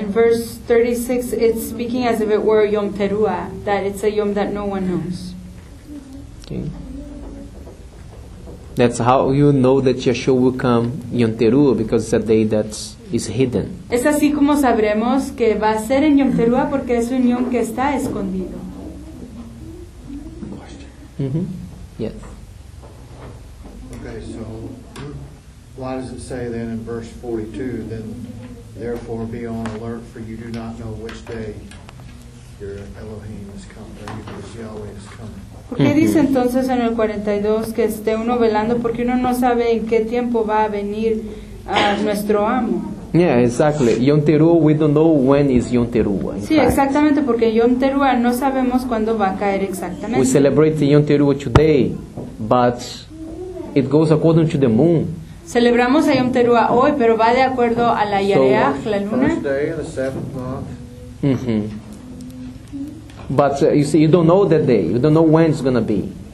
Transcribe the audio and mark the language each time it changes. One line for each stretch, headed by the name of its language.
English: In verse 36, it's speaking as if it were Yom Teruah, that it's a Yom that no one knows. Okay. That's how you know that Yeshua will come Yom Teruah, because it's a day that is hidden.
Spanish: Es así como sabremos que va a ser en Yom Teruah, porque es un Yom que está escondido.
English: Question. Mm-hmm. Yes. Okay, so why does it say then in verse 42, then therefore be on alert, for you do not know which day your Elohim is coming, or your Yahweh is coming.
Spanish: ¿Por qué dice entonces en el 42 que esté uno velando? Porque uno no sabe en qué tiempo va a venir nuestro amo.
English: Yeah, exactly. Yom Teruah, we don't know when is Yom Teruah.
Spanish: Sí, exactamente, porque Yom Teruah no sabemos cuándo va a caer exactamente.
English: We celebrate Yom Teruah today, but it goes according to the moon.
Spanish: Celebramos a Yom Teruah hoy, pero va de acuerdo a la Yareach,
English: so,
Spanish: la luna.
English: First day of the seventh month. Mm-hmm. But you see, you don't know that day. You don't know when it's going to be.